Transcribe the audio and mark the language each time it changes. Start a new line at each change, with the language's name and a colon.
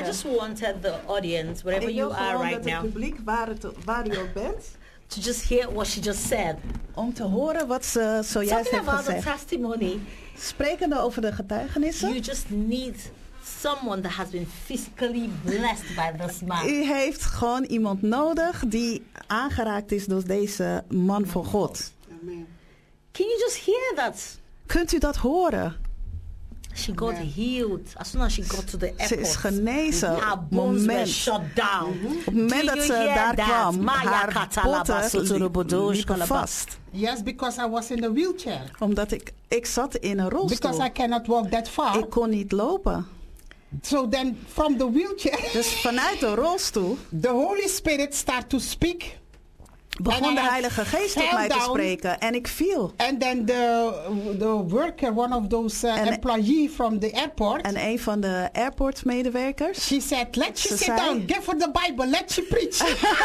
English: I just wanted the audience, wherever you are right now.
Dutch: Ik wil gewoon dat het publiek waar u ook bent.
English: To just hear what she just said.
Dutch: Om te horen wat ze zojuist
English: Talking
Dutch: heeft gezegd.
English: Talking about the testimony.
Dutch: Sprekende over de getuigenissen.
English: You just need someone that has been physically blessed by this man.
Dutch: U heeft gewoon iemand nodig die aangeraakt is door deze man van God.
English: Amen. Can you just hear that?
Dutch: Kunt u dat horen?
English: She got yeah. healed as soon as she got to the airport.
Dutch: Ze is genezen.
English: Her bones were shut down. Mm-hmm.
Dutch: Op het moment dat ze daar kwam, haar botten liepen vast.
English: Yes, because I was in the wheelchair.
Dutch: Omdat ik zat in een rolstoel.
English: Because I cannot walk that far.
Dutch: Ik kon niet lopen.
English: So then, from the wheelchair.
Dutch: Dus vanuit de rolstoel.
English: The Holy Spirit start to speak.
Dutch: Begon de Heilige Geest op mij te spreken en ik viel.
English: And then the worker, one of those employee from the airport.
Dutch: En een van de airport medewerkers.
English: She said, let you sit down, give her the Bible, let you preach.